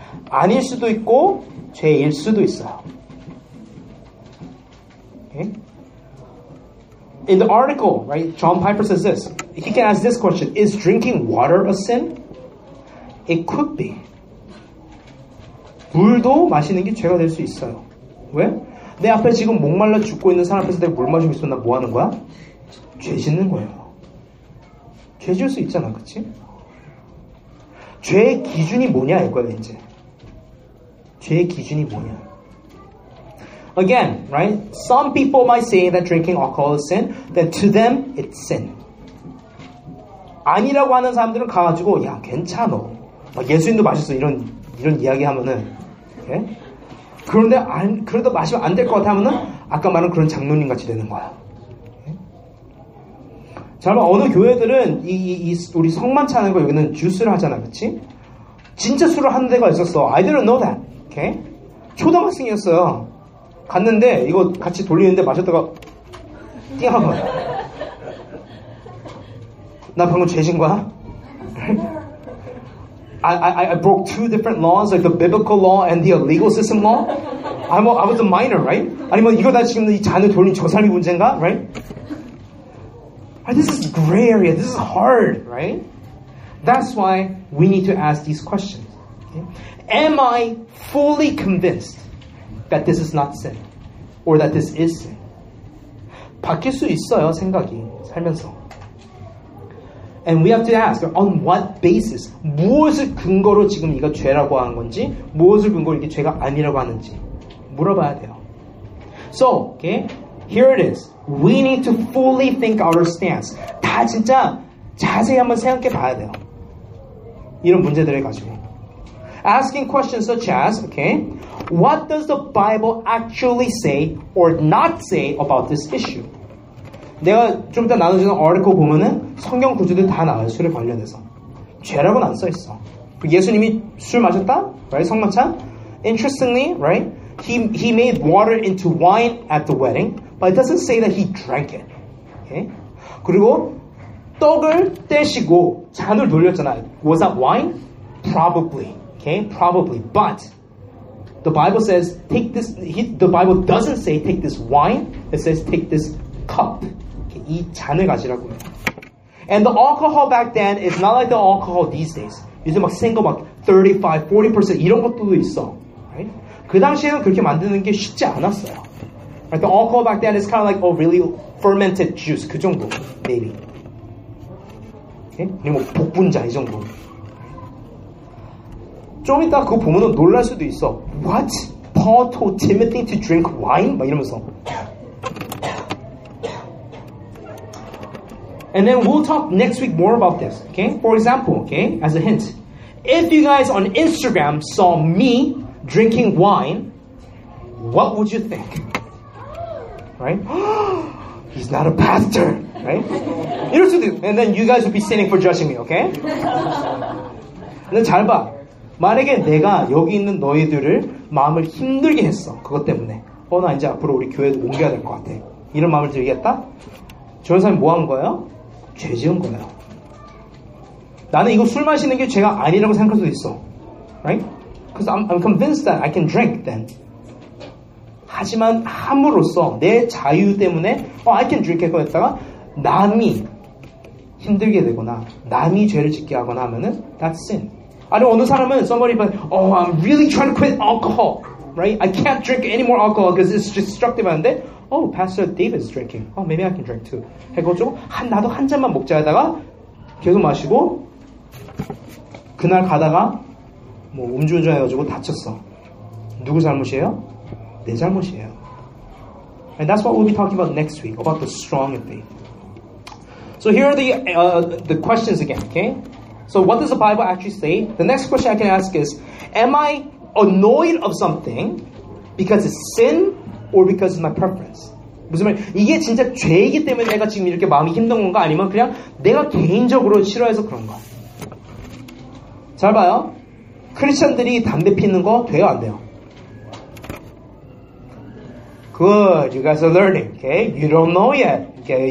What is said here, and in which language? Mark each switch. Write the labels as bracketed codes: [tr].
[ko] 아닐 수도 있고 죄일 수도 있어. [en] In the article, right, John Piper says this. He can ask this question. Is drinking water a sin? It could be. [ko] 물도 마시는 게 죄가 될 수 있어요. 왜? 내 앞에 지금 목말라 죽고 있는 사람 앞에서 내가 물 마시고 있으면 나 뭐 하는 거야? 죄 짓는 거예요. 죄 지을 수 있잖아, 그치? 죄의 기준이 뭐냐, 이거야, 이제. 죄의 기준이 뭐냐. [en] Again, right? Some people might say that drinking alcohol is sin. Then to them, it's sin. [ko] 아니라고 하는 사람들은 가가지고 야 괜찮어. 막 예수님도 마셨어 이런 이야기 하면은. [en] Okay? [ko] 그런데 안 그래도 마시면 안 될 것 같으면은 아까 말한 그런 장로님 같이 되는 거야. [en] Okay? [ko] 자, 그럼 어느 교회들은 이 우리 성만찬 하는 거 여기는 주스를 하잖아, 그렇지? 진짜 술을 하는 데가 있었어. [en] I didn't know that. Okay? [ko] 초등학생이었어요. 갔는데 이거 같이 돌리는데 마셨다가 띵하고 나 방금 죄진 거야? [en] I broke two different laws, like the biblical law and the legal system law. I was a minor, right? [ko] 아니면 이거 나 지금 이 잔을 돌린 저 사람이 문제인가, [en] right? This is gray area. This is hard, right? That's why we need to ask these questions. Okay? Am I fully convinced that this is not sin? Or that this is sin. [ko] 바뀔 수 있어요, 생각이. 살면서. [en] And we have to ask, on what basis? [ko] 무엇을 근거로 지금 이거 죄라고 하는 건지, 무엇을 근거로 이게 죄가 아니라고 하는지, 물어봐야 돼요. [en] So, okay, here it is. We need to fully think our stance. [ko] 다 진짜 자세히 한번 생각해 봐야 돼요. 이런 문제들을 가지고. [en] Asking questions such as, okay, what does the Bible actually say or not say about this issue? [ko] 내가 좀 이따 나눠주는 article 보면은 성경 구절들 다 나와요. 술에 관련해서. 죄라고는 안 써있어. 예수님이 술 마셨다? Right? 성만찬? [en] Interestingly, right? He made water into wine at the wedding, but it doesn't say that he drank it. Okay? [ko] 그리고 떡을 떼시고 잔을 돌렸잖아. [en] Was that wine? Probably. Okay? Probably. But the Bible says take this, the Bible doesn't say take this wine, it says take this cup. [ko] Okay? 이 잔을 가지라고. [en] And the alcohol back then is not like the alcohol these days. [ko] 요즘 막 센 거 막 35, 40% 이런 것들도 있어. [en] Right? [ko] 그 당시에는 그렇게 만드는 게 쉽지 않았어요. [en] Right? The alcohol back then is kind of like, oh, really fermented juice. [ko] 그 정도. [en] Maybe. Okay? [ko] 아니면 복분자 이 정도. 좀 이따 그거 보면 놀랄 수도 있어. [en] What? Paul told Timothy to drink wine? [ko] 막 이러면서. [en] And then we'll talk next week more about this. Okay? For example, okay? As a hint. If you guys on Instagram saw me drinking wine, what would you think? Right? He's not a pastor. Right? [ko] 이럴 수도 있고. [en] And then you guys would be standing for judging me. [ko] Okay? 근데 잘 봐. 만약에 내가 여기 있는 너희들을 마음을 힘들게 했어. 그것 때문에. 어, 나 이제 앞으로 우리 교회 옮겨야 될 것 같아. 이런 마음을 들겠다? 저런 사람이 뭐 한 거예요? 죄 지은 거예요. 나는 이거 술 마시는 게 죄가 아니라고 생각할 수도 있어. [en] Right? Because I'm convinced that I can drink then. [ko] 하지만 함으로써 내 자유 때문에 [en] oh, I can drink [ko] 했다가 남이 힘들게 되거나 남이 죄를 짓게 하거나 하면은 [en] that's sin. [ko] 아니 어느 사람은 [en] somebody but oh I'm really trying to quit alcohol. Right? I can't drink any more alcohol because it's destructive 하는데 Oh, Pastor David's drinking. Oh, maybe I can drink too. [ko] 해가지고 한 나도 한 잔만 먹자 하다가 계속 마시고 그날 가다가 뭐 음주운전 해가지고 다쳤어. 누구 잘못이에요? 내 잘못이에요. [en] And that's what we'll be talking about next week, about the strong in faith. So here are the questions again, okay? So what does the Bible actually say? The next question I can ask is, am I annoyed of something because it's sin? Or because it's my preference. [ko] 무슨 말? 이게 진짜 죄이기 때문에 내가 지금 이렇게 마음이 힘든 건가? 아니면 그냥 내가 개인적으로 싫어해서 그런가? 잘 봐요. 크리스천들이 담배 피는 거 돼요 안 돼요? [en] Good. You guys are learning. Okay. You don't know yet. Okay.